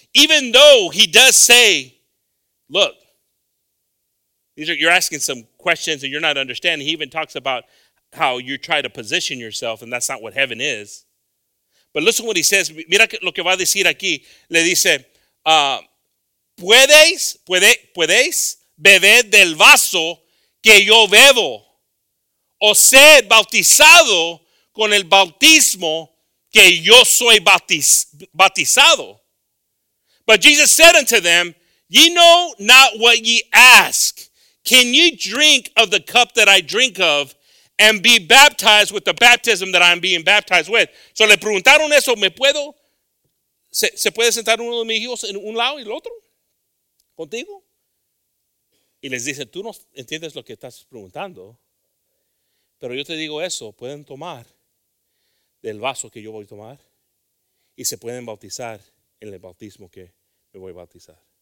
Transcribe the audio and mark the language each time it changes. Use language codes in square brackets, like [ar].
[en] Even though he does say, look, you're asking some questions and you're not understanding. He even talks about how you try to position yourself and that's not what heaven is. But listen what he says. [es] Mira lo que va a decir aquí. Le dice, ¿puedes beber del vaso que yo bebo o ser bautizado con el bautismo que yo soy bautizado? [en] But Jesus said unto them, ye know not what ye ask. Can ye drink of the cup that I drink of and be baptized with the baptism that I'm being baptized with? [es] So le preguntaron eso, ¿me puedo? ¿Se puede sentar uno de mis hijos en un lado y el otro? ¿Contigo? Y les dice, tú no entiendes lo que estás preguntando. Pero yo te digo eso, pueden tomar del vaso que yo voy a tomar y se pueden bautizar en el bautismo que me voy a bautizar.